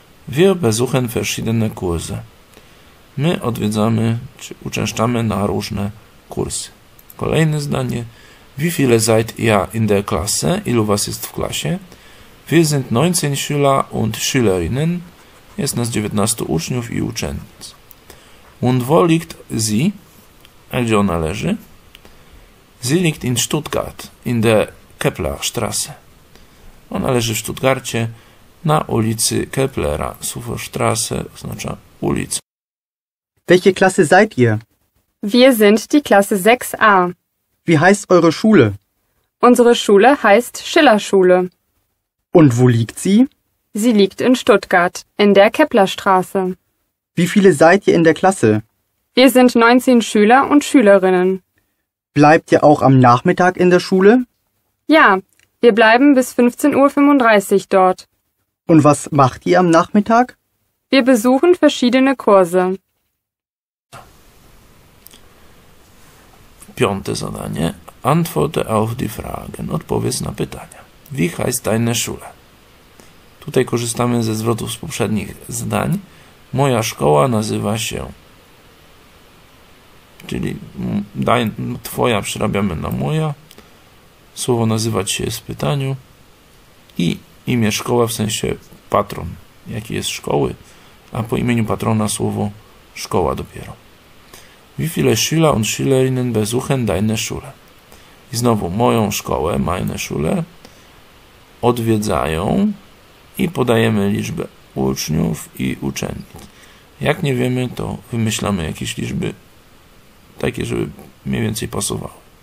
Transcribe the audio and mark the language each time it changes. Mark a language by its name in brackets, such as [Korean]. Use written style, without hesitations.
[German] Wir besuchen verschiedene Kurse. [Polish] My odwiedzamy czy uczęszczamy na różne kursy. Kolejne zdanie. [German] Wie viele seid ihr in der Klasse? [Polish] Ilu was jest w klasie? [German] Wir sind 19 Schüler und Schülerinnen. [Polish] Jest nas 19 uczniów i uczennic. [German] Und wo liegt sie? [Polish] A gdzie ona leży? [German] Sie liegt in Stuttgart, in der Keplerstraße. [Polish] Ona leży w Stuttgarcie, na ulicy Keplera. Suforstraße oznacza ulicę. [German] Welche Klasse seid ihr? Wir sind die Klasse 6a. Wie heißt eure Schule? Unsere Schule heißt Schillerschule. Und wo liegt sie? Sie liegt in Stuttgart, in der Keplerstraße. Wie viele seid ihr in der Klasse? Wir sind 19 Schüler und Schülerinnen. Bleibt ihr auch am Nachmittag in der Schule? Ja, wir bleiben bis 15.35 Uhr dort. Und was macht ihr am Nachmittag? Wir besuchen verschiedene Kurse. [Polish] Piąte zadanie. [German] Antworte auf die Fragen. [Polish] Odpowiedz na pytania. [German] Wie heißt deine Schule? [Polish] Tutaj korzystamy ze zwrotów z poprzednich zdań. Moja szkoła nazywa się... Czyli twoja przerabiamy na moja. Słowo nazywać się jest w pytaniu. I imię szkoła w sensie patron. Jaki jest szkoły? A po imieniu patrona słowo szkoła dopiero. [German] Wie viele Schüler und Schülerinnen besuchen deine Schule? [Polish] I znowu moją szkołę, [German] meine Schule, [Polish] odwiedzają i podajemy liczbę uczniów i uczennic. Jak nie wiemy, to wymyślamy jakieś liczby takie, żeby mniej więcej pasowały.